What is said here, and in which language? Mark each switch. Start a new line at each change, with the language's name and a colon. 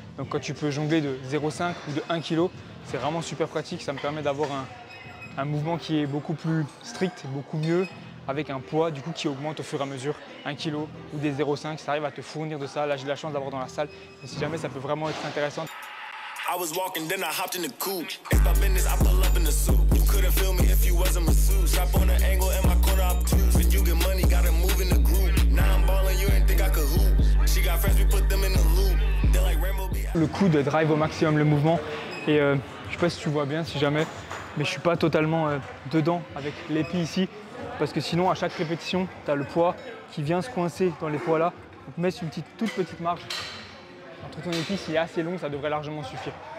French: Donc quand tu peux jongler de 0,5 ou de 1 kg, c'est vraiment super pratique. Ça me permet d'avoir un mouvement qui est beaucoup plus strict, beaucoup mieux, avec un poids du coup qui augmente au fur et à mesure. 1 kg ou des 0,5, ça arrive à te fournir de ça. Là, j'ai la chance d'avoir dans la salle. Mais si jamais, ça peut vraiment être intéressant.
English: I was walking, then I hopped in the coupe. It's my business, I pull up in the suit. You couldn't feel me if you wasn't masseuse. Strap on an angle in my corner, obtuse. When you get money, gotta move in the group. Now I'm ballin', you ain't think I could hoop. She got friends, we put them in the loop.
French: Le coude drive au maximum le mouvement et je sais pas si tu vois bien, si jamais, mais je suis pas totalement dedans avec l'épi ici, parce que sinon à chaque répétition tu as le poids qui vient se coincer dans les poids là. Donc mets une petite toute petite marge entre ton épi, s'il est assez long ça devrait largement suffire.